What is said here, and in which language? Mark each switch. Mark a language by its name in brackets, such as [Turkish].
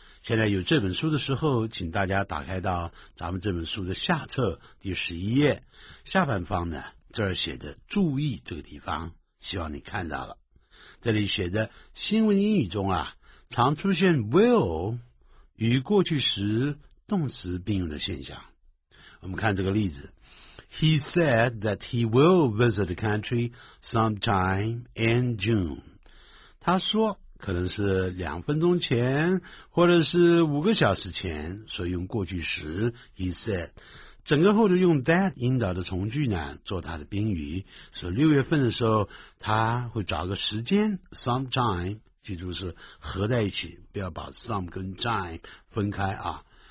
[Chinese] 现在有这本书的时候，请大家打开到咱们这本书的下册第十一页下半方呢，这儿写的注意这个地方，希望你看到了。这里写的新闻英语中啊，常出现 will 与过去时动词并用的现象。我们看这个例子， [English] He said that he will visit the country sometime in June. [Chinese] 他说可能是两分钟前或者是五个小时前，所以用过去时 [English] he said. [Chinese] 整个后头用 that 引导的从句呢做他的宾语，所以六月份的时候他会找个时间 sometime, 记住是合在一起，不要把 some 跟 time 分开啊。